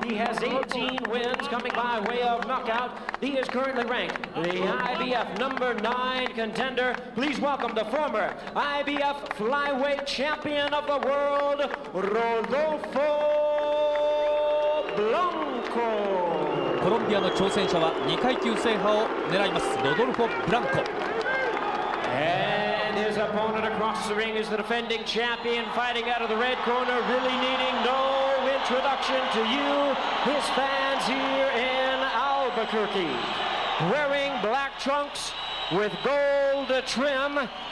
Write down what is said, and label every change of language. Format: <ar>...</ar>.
<en>He has 18 wins coming by way of knockout. He is currently ranked. The IBF number 9 contender, please welcome the former IBF flyweight champion of the world, Rodolfo Blanco.</en> <ja>コロンビアの挑戦者は2階級制覇を狙います。ロドルフォ・ブランコ。</ja> <en>And his opponent across the ring is the defending champion, fighting out of the red corner, really needing no introduction to you, his fans here in Albuquerque. Wearing black trunks with gold trim.</en>